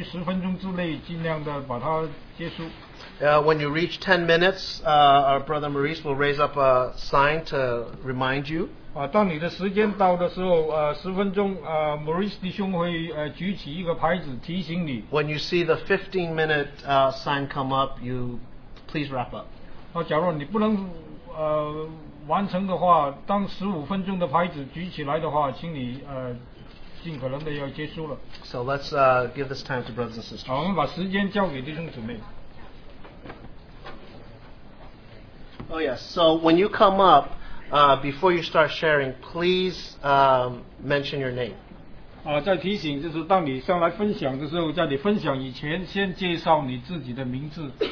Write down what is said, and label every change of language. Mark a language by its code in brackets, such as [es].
[zh] 我们再提醒就是请你把你的交通就是先于10分钟之内尽量的把它结束。 [en] When you reach 10 minutes, our brother Maurice will raise up a sign to remind you. [zh] 当你的时间到的时候，十分钟，Maurice弟兄会举起一个牌子提醒你。 [en] When you see the 15-minute sign come up, you please wrap up. [zh] 假如你不能完成的话，当15分钟的牌子举起来的话，请你尽可能的要结束了。 [en] So let's give this time to brothers and sisters. [zh] 好，我们把时间交给弟兄姊妹。 [en] Oh yes, so when you come up, before you start sharing, please mention your name. [zh] 再提醒就是当你上来分享的时候，在你分享以前，先介绍你自己的名字。